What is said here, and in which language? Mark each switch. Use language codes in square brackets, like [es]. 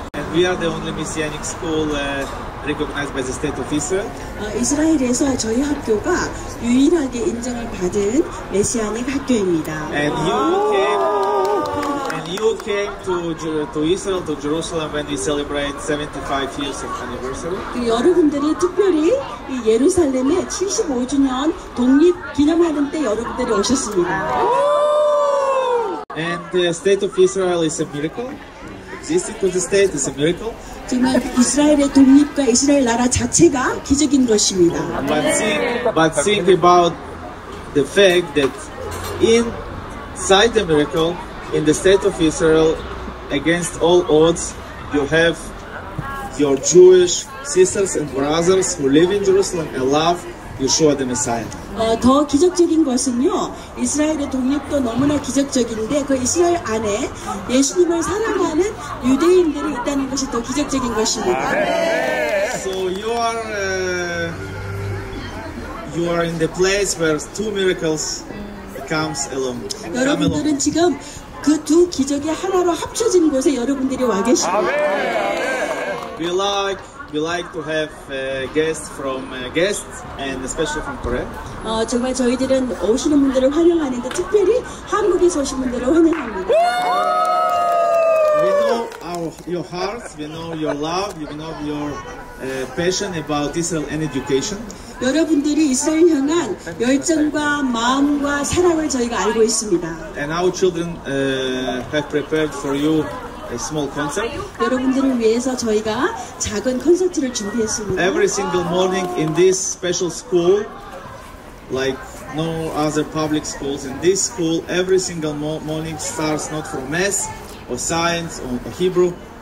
[en] And we are the only Messianic school recognized by the state of Israel. [ko] Israel에서 저희 학교가 유일하게 인정을 받은 메시아닉 학교입니다. [en] And you came to Israel to Jerusalem when we celebrate 75 years of anniversary. [ko] 여러분들이 특별히 이 예루살렘의 75주년 독립 기념하는 때 여러분들이 오셨습니다. [en] And the state of Israel is a miracle. Existing to the state is a miracle. [ko] 정말 이스라엘의 독립과 이스라엘 나라 자체가 기적인 것입니다. [en] But think about the fact that inside the miracle, in the state of Israel, against all odds, you have your Jewish sisters and brothers who live in Jerusalem and love Yeshua the Messiah. [ko] 더 기적적인 것은요, 이스라엘의 독립도 너무나 기적적인데 그 이스라엘 안에 예수님을 사랑하는 유대인들이 있다는 것이 더 기적적인 것입니다. [en] So you are in the place where two miracles comes along. [ko] 여러분들은 지금 그 두 기적이 하나로 합쳐진 곳에 여러분들이 와 계십니다. [en] We like to have guests from guests and especially from Korea. [ko] 정말 저희들은 오시는 분들을 환영하는데 특별히 한국에서 오신 분들을 환영합니다. [en] We know your hearts, we know your love, we know your passion about Israel and education. [ko] 여러분들이 이스라엘 향한 열정과 마음과 사랑을 저희가 알고 있습니다. [en] And our children have prepared for you a small concert. [ko] 여러분들을 위해서 저희가 작은 콘서트를 준비했습니다. [en] Every single morning in this special school, like no other public schools in this school, every single morning starts not from mass or science or Hebrew.